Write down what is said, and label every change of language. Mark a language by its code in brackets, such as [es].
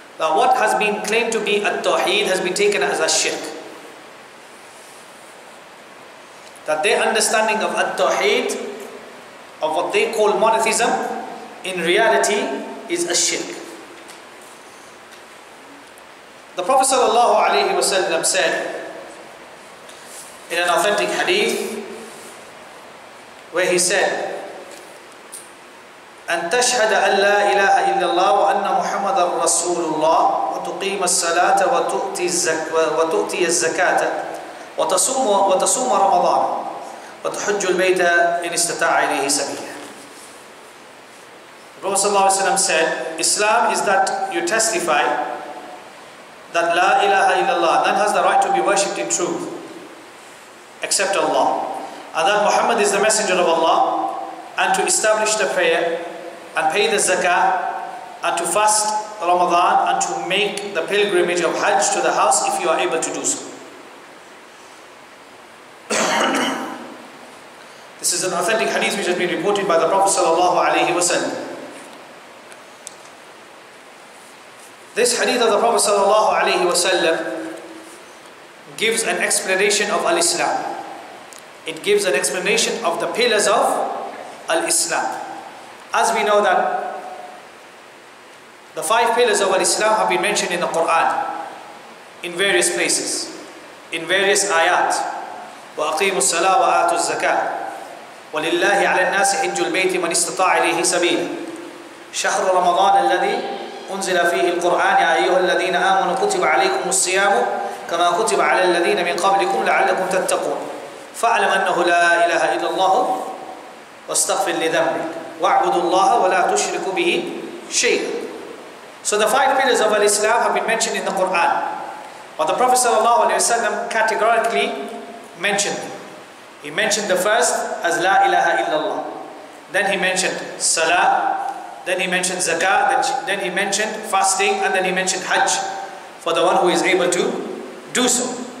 [en] what has been claimed to be at-tawheed has been taken as a shirk. That their understanding of at-tawheed, of what they call monotheism, in reality is a shirk. The Prophet sallallahu alayhi wa sallam said in an authentic hadith where he said, [ar] أن تشهد أن لا إله إلا الله وأن محمد رسول الله وتقيم الصلاة وتؤتي الزكاة وتصوم رمضان وتحج البيت إن استطاع إليه سبيلا. [en] Prophet sallallahu alayhi wa sallam said, Islam is that you testify that La ilaha illallah, none has the right to be worshipped in truth except Allah, and that Muhammad is the messenger of Allah, and to establish the prayer and pay the zakah and to fast Ramadan and to make the pilgrimage of Hajj to the house if you are able to do so. This is an authentic hadith which has been reported by the Prophet sallallahu alayhi wa sallam. This hadith of the Prophet sallallahu alayhi wa sallam gives an explanation of al-Islam. It gives an explanation of the pillars of al-Islam. As we know that the five pillars of al-Islam have been mentioned in the Quran in various places, in various ayat. [ar] وَأَقِيمُ الصَّلَاةَ وَآتُ الزَّكَاةَ وَلِلَّهِ عَلَى النَّاسِ حِجُّ الْبَيْتِ مَنِ اسْتَطَاعَ إِلَيْهِ سَبِيلًا شَهْرُ رَمَضَانَ الَّذِي أنزل فيه القرآن يا أيها الذين آمنوا كتب عليكم الصيام كما كتب على الذين من قبلكم لعلكم تتقون فاعلم أنه لا إله إلا الله واستغفر لذنبك واعبد الله ولا تشرك به شيئا. [en] So the five pillars of Islam have been mentioned in the Quran, but the Prophet sallallahu alaihi wasallam categorically mentioned. He mentioned the first as La ilaha illallah. Then he mentioned Salah. Then he mentioned zakah, then he mentioned fasting, and then he mentioned hajj for the one who is able to do so.